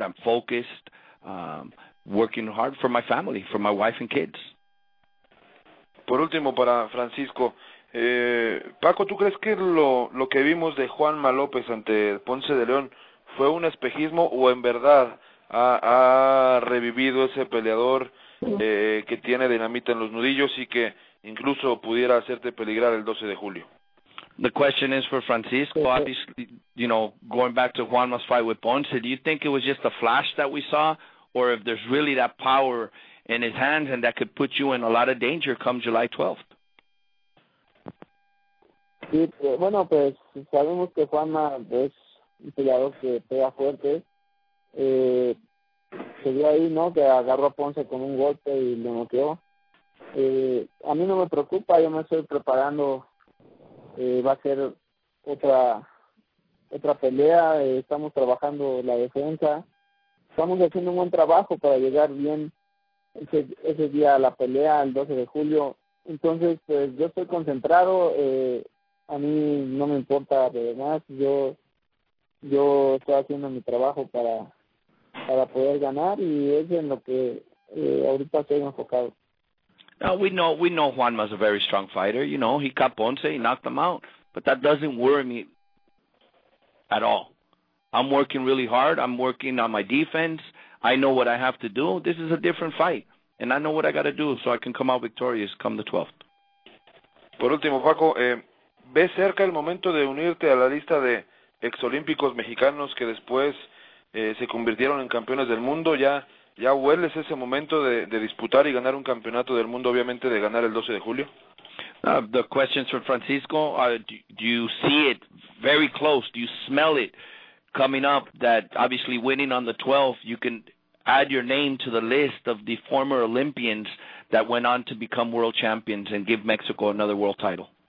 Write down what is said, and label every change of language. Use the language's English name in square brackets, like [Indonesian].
[English] I'm focused, working hard for my family, for my wife and kids. [Spanish] Por último, para Francisco, Paco, ¿tú crees que lo que vimos de Juanma López ante Ponce de León fue un espejismo, o en verdad ha revivido ese peleador que tiene dinamita en los nudillos y que incluso pudiera hacerte peligrar el 12 de julio? [English] The question is for Francisco. Obviously, you know, going back to Juanma's fight with Ponce, do you think it was just a flash that we saw, or if there's really that power in his hands and that could put you in a lot of danger come July 12th? [Spanish] Sí, bueno, pues sabemos que Juanma es un peleador que pega fuerte. Se vio ahí, ¿no?, que agarró a Ponce con un golpe y lo noqueó. A mí no me preocupa, yo me estoy preparando. Va a ser otra otra pelea, estamos trabajando la defensa, estamos haciendo un buen trabajo para llegar bien ese día a la pelea, el 12 de julio. Entonces, pues, yo estoy concentrado, a mí no me importa lo demás, yo estoy haciendo mi trabajo para poder ganar, y es en lo que ahorita estoy enfocado. [English] Now, we know Juanma's a very strong fighter. You know, he caught Ponce, he knocked him out. But that doesn't worry me at all. I'm working really hard. I'm working on my defense. I know what I have to do. This is a different fight. And I know what I got to do so I can come out victorious come the 12th. [Spanish] Por último, Paco, ¿ves cerca el momento de unirte a la lista de exolímpicos mexicanos que después se convirtieron en campeones del mundo? ¿Ya hueles ese momento de disputar y ganar un campeonato del mundo, obviamente, de ganar el 12 de julio? [English] The questions for Francisco, do you see it very close? Do you smell it coming up that obviously winning on the 12th, you can add your name to the list of the former Olympians that went on to become world champions and give Mexico another world title?